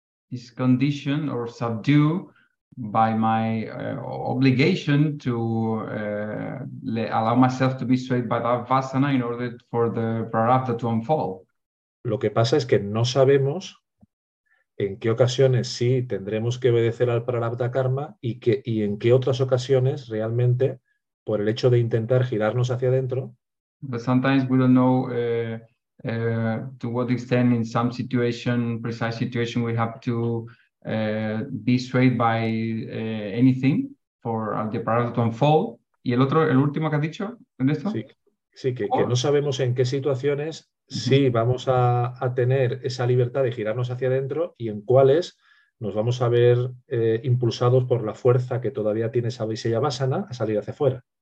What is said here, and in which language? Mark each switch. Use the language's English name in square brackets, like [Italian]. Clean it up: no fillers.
[English] Is conditioned or subdued by my obligation to allow myself to be swayed by that vasana in order for the prarabdha to unfold. [Spanish] Lo que pasa es que no sabemos en qué ocasiones sí tendremos que obedecer al prarabdha karma y en qué otras ocasiones realmente por el hecho de intentar girarnos hacia adentro. [English] But sometimes we don't know to what extent in some situation, precise situation, we have to be swayed by anything for the prarabdha to unfold. [Spanish] ¿Y el otro, el último que has dicho, Ernesto? Sí, sí que no sabemos en qué situaciones sí vamos a tener esa libertad de girarnos hacia adentro y en cuáles nos vamos a ver impulsados por la fuerza que todavía tiene esa viseya vasana a salir hacia afuera.